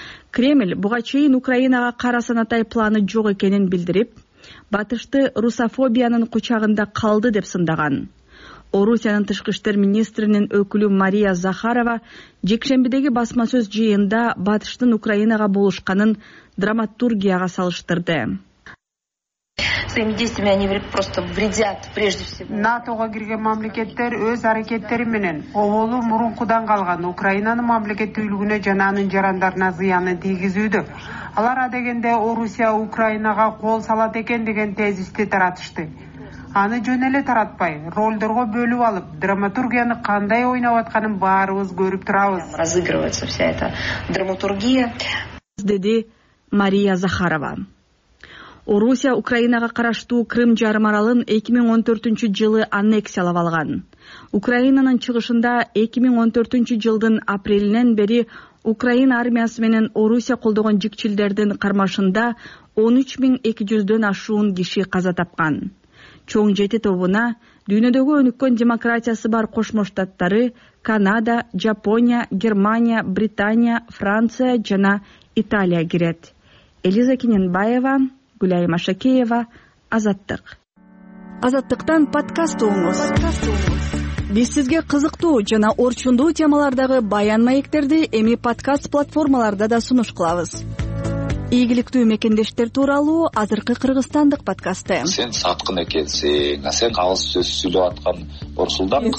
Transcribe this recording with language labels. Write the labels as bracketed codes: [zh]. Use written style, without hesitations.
[ky] Кремль буга чейин Украинага кара санатай планы жок экенин билдирип, батышты русофобиянын кучагында калды деп сындаган. Орусиянын тышкы иштер министринин өкүлү Мария Захарова жекшембидеги басма сөз жыйында батыштын Украинага болушканын драматургияга салыштырды. [ru] Своими действиями они просто вредят прежде всего. [ky] НАТОго кирген мамлекеттер өз аракеттери менен оолу мурункудан калган Украинанын мамлекеттүүлүгүнө жана анын жарандарына зыяны тийгизүүдө. Алар адегенде Орусия Украинага кол салат экен деген тезисти таратышты. Аны жөн эле таратпай, ролдорго бөлүп алып, драматургияны кандай ойноп атканын баарыбыз көрүп турабыз. [ru] Разыгрывается вся эта драматургия, [ky] деди Мария Захарова. Орусия Украинага караштуу Крым жарым аралын 2014 жылы аннексиялап алган. Украинанын чыгышында 2014 жылдын апрелинен бери Украин армиясы менен Орусия колдогон жикчилдердин кармашында 13200 ашуун киши каза тапкан. Чоң жети тобуна дүйнөдөгү өнүккөн демократиясы бар Кошмо Штаттары, Канада, Жапония, Германия, Британия, Франция жана Италия кирет. Элиза Кененбаева, Гүлайма Шакеева, Азаттык. Азаттыктан подкаст угуңуз. Биз сизге кызыктуу жана орчундуу темалардагы баян маектерди эми подкаст платформаларда да сунуш кылабыз. Ийгиликтүү мекендештер тууралуу азыркы кыргызстандык подкасты. Сен саткын экенсиң, сен ал сөз сүйлөп аткан орсулдан.